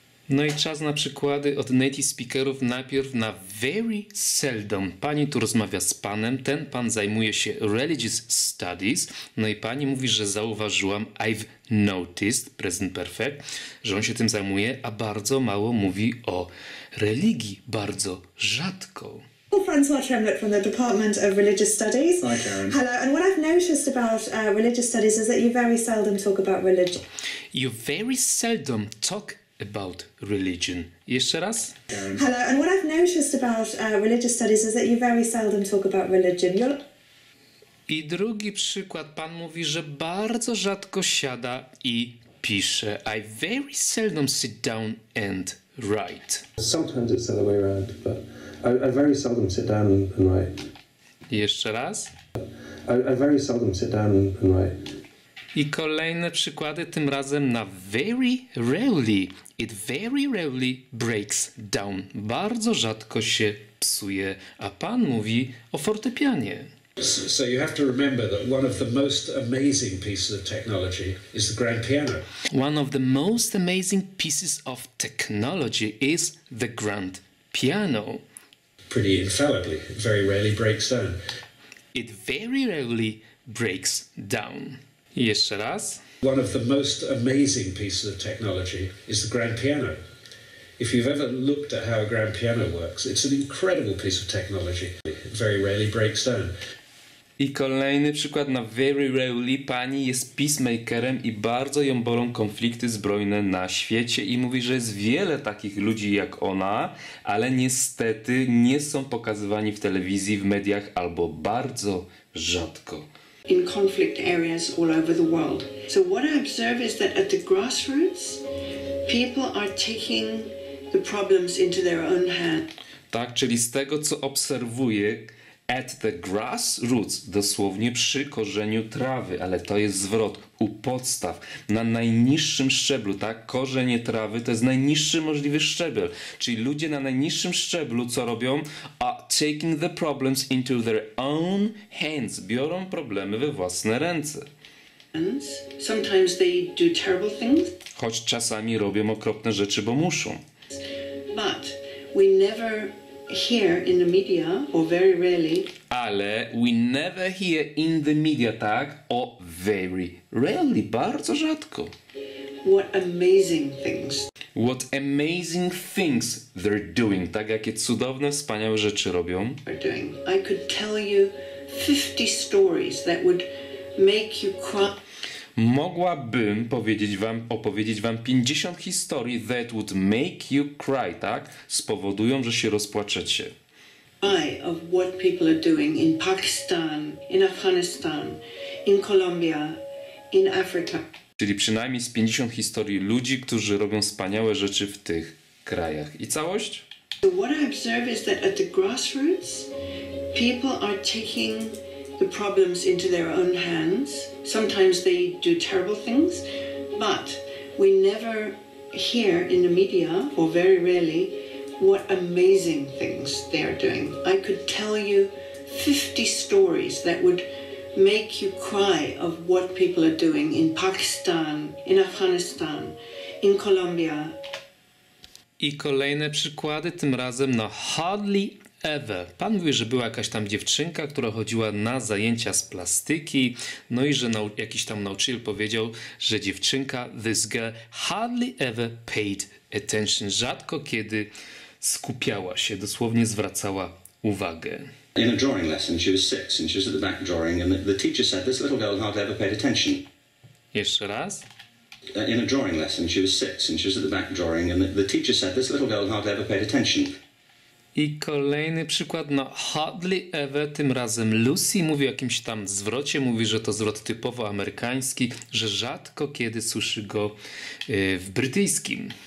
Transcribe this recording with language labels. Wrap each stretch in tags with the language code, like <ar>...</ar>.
<pl>No i czas na przykłady od native speakerów. Najpierw na</pl> <en>very seldom.</en> <pl>Pani tu rozmawia z panem, ten pan zajmuje się religious studies. No i pani mówi, że zauważyłam,</pl> <en>I've noticed,</en> <pl>present perfect, że on się tym zajmuje, a bardzo mało mówi o religii, bardzo rzadko.</pl> <en>Hello, Francois Tremblay from the Department of Religious Studies. Hi, Karen. Hello, and what I've noticed about religious studies is that you very seldom talk about religion. You very seldom talk about religion.</en> <pl>Jeszcze raz.</pl> <en>Karen. Hello, and what I've noticed about religious studies is that you very seldom talk about religion.</en> <pl>I drugi przykład. Pan mówi, że bardzo rzadko siada i pisze.</pl> <en>I very seldom sit down and write. Sometimes it's the other way around, but I very seldom sit down and write.</en> <pl>Jeszcze raz.</pl> <en>I very seldom sit down and write.</en> <pl>I kolejne przykłady, tym razem na</pl> <en>very rarely. It very rarely breaks down.</en> <pl>Bardzo rzadko się psuje. A pan mówi o fortepianie.</pl> <en>So you have to remember that one of the most amazing pieces of technology is the grand piano. One of the most amazing pieces of technology is the grand piano. Pretty infallibly, it very rarely breaks down. It very rarely breaks down.</en> <pl>Jeszcze raz.</pl> <en>One of the most amazing pieces of technology is the grand piano. If you've ever looked at how a grand piano works, it's an incredible piece of technology. It very rarely breaks down.</en> <pl>I kolejny przykład na very rarely. Pani jest peacemakerem i bardzo ją bolą konflikty zbrojne na świecie i mówi, że jest wiele takich ludzi jak ona, ale niestety nie są pokazywani w telewizji, w mediach albo bardzo rzadko.</pl> <en>In conflict areas all over the world. So what I observe is that at the grassroots people are taking the problems into their own hands.</en> <pl>Tak, czyli z tego co obserwuję,</pl> <en>at the grassroots,</en> <pl>dosłownie przy korzeniu trawy, ale to jest zwrot, u podstaw, na najniższym szczeblu, tak? Korzenie trawy to jest najniższy możliwy szczebel. Czyli ludzie na najniższym szczeblu co robią?</pl> <en>Are taking the problems into their own hands.</en> <pl>Biorą problemy we własne ręce.</pl> <en>Sometimes they do terrible things.</en> <pl>Choć czasami robią okropne rzeczy, bo muszą.</pl> <en>But we never here in the media, or very rarely.</en> <pl>Ale</pl> <en>we never hear in the media,</en> <pl>tak?</pl> <en>Or very rarely,</en> <pl>bardzo rzadko.</pl> <en>What amazing things. What amazing things they're doing.</en> <pl>Tak, jakie cudowne, wspaniałe rzeczy robią.</pl> <en>Doing. I could tell you 50 stories that would make you cry.</en> <pl>Mogłabym opowiedzieć wam 50 historii</pl> <en>that would make you cry,</en> <pl>tak? Spowodują, że się rozpłaczecie.</pl> <en>Of what people are doing in Pakistan, in Afghanistan, in Colombia, in Africa.</en> <pl>Czyli przynajmniej z 50 historii ludzi, którzy robią wspaniałe rzeczy w tych krajach. I całość?</pl> <en>So what I observe is that at the grassroots people are taking the problems into their own hands. Sometimes they do terrible things, but we never hear in the media, or very rarely, what amazing things they are doing. I could tell you 50 stories that would make you cry of what people are doing in Pakistan, in Afghanistan, in Colombia.</en> <pl>I kolejne przykłady, tym razem na</pl> <en>hardly ever.</en> <pl>Pan mówi, że była jakaś tam dziewczynka, która chodziła na zajęcia z plastyki, no i że jakiś tam nauczyciel powiedział, że dziewczynka,</pl> <en>this girl, hardly ever paid attention.</en> <pl>Rzadko kiedy skupiała się, dosłownie zwracała uwagę.</pl> <en>In a drawing lesson, she was six and she was at the back drawing and the teacher said, this little girl hardly ever paid attention.</en> <pl>Jeszcze raz.</pl> <en>In a drawing lesson, she was six and she was at the back drawing and the teacher said, this little girl hardly ever paid attention.</en> <pl>I kolejny przykład na hardly ever, tym razem Lucy mówi o jakimś tam zwrocie, mówi, że to zwrot typowo amerykański, że rzadko kiedy słyszy go w brytyjskim.</pl>